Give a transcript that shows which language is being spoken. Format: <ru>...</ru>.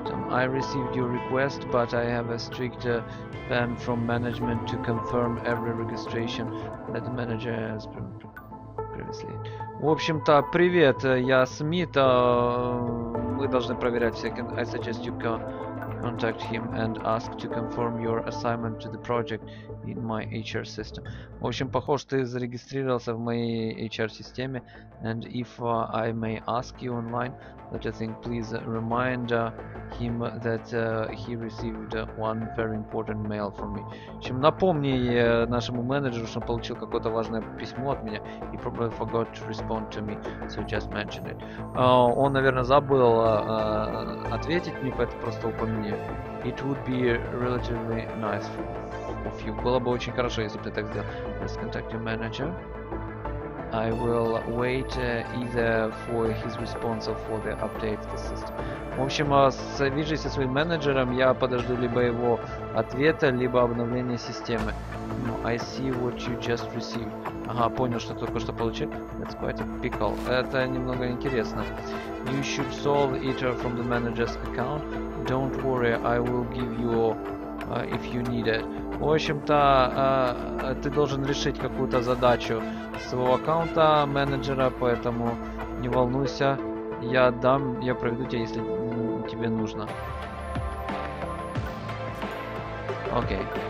<en>I received your request, but I have a strict ban from management to confirm every registration that the manager has previously.</en> <ru>В общем-то, привет, я Смит. Мы должны проверять все.</ru> <en>I suggest you contact him and ask to confirm your assignment to the project in my HR system.</en> <ru>В общем, похоже, ты зарегистрировался в моей HR системе.</ru> <en>And if I may ask you online, let me think, please remind him that he received one very important mail from me.</en> <ru>В общем, напомни нашему менеджеру, что он получил какое-то важное письмо от меня.</ru> <en>He probably forgot to respond to me, so just mention it.</en> <ru>Он, наверное, забыл ответить мне, поэтому просто упомяни.</ru> <en>It would be relatively nice of you.</en> <ru>Было бы очень хорошо, если бы ты так сделал.</ru> <en>Let's contact your manager. I will wait either for his response or for the update of the system.</en> <ru>В общем, свяжись со своим менеджером, я подожду либо его ответа, либо обновления системы.</ru> <en>I see what you just received.</en> <ru>Ага, понял, что только что получил.</ru> <en>That's quite a pickle.</en> <ru>Это немного интересно.</ru> <en>You should solve it from the manager's account. Don't worry, I will give you if you need it.</en> <ru>В общем-то, ты должен решить какую-то задачу своего аккаунта менеджера, поэтому не волнуйся, я дам, я проведу тебя, если тебе нужно. Окей.</ru>